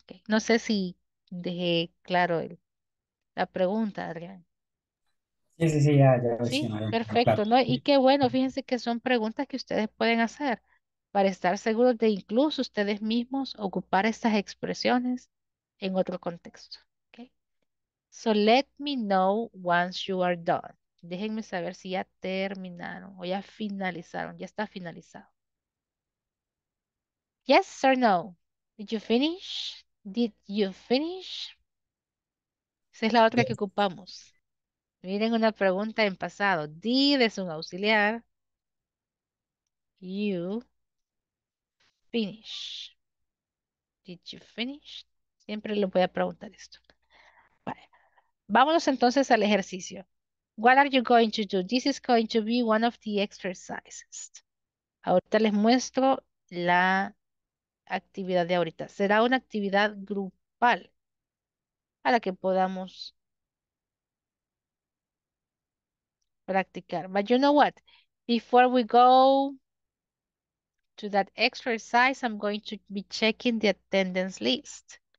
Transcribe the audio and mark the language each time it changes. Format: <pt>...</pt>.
<es>¿Okay? No sé si dejé claro el. La pregunta, Adrián. Sí, ya, ya lo Sí, hicieron, perfecto, ¿no? Y qué bueno, fíjense que son preguntas que ustedes pueden hacer para estar seguros de incluso ustedes mismos ocupar estas expresiones en otro contexto.</es> <en>So let me know once you are done.</en> <es>Déjenme saber si ya terminaron o ya finalizaron, ya está finalizado.</es> <en>Yes or no? Did you finish? Did you finish?</en> <es>Esa es la otra que ocupamos. Miren una pregunta en pasado. Did es un auxiliar.</es> <en>You finish. Did you finish?</en> <es>Siempre le voy a preguntar esto. Vámonos entonces al ejercicio.</es> <en>What are you going to do? This is going to be one of the exercises.</en> <es>Ahorita les muestro la actividad de ahorita. Será una actividad grupal a la que podamos practicar.</es> <en>But you know what? Before we go to that exercise, I'm going to be checking the attendance list.</en>